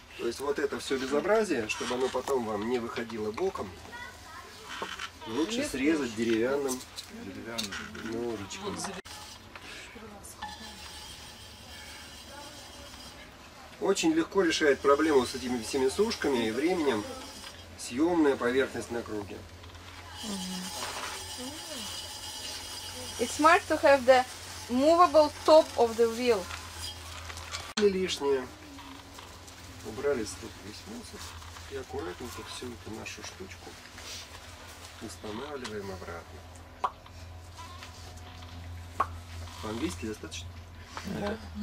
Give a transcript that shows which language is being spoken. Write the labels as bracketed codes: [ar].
[ru] То есть вот это все безобразие, чтобы оно потом вам не выходило боком, лучше срезать деревянным ножичком. Очень легко решает проблему с этими всеми сушками и временем съемная поверхность на круге. [en] It's smart to have the movable top of the wheel. [ru] Не лишнее. Убрали тут весь мусор и аккуратненько всю эту нашу штучку Устанавливаем обратно. По-английски достаточно? Да.